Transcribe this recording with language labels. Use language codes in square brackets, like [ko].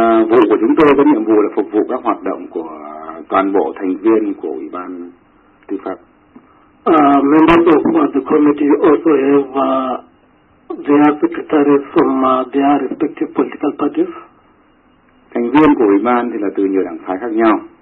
[vi] Vụ của chúng tôi có nhiệm vụ là phục vụ các hoạt động của toàn bộ thành viên của Ủy ban Tư pháp. [en] Members of the committee also have their secretaries from their respective political parties. [vi] Thành viên của Ủy ban thì là từ nhiều đảng phái khác nhau.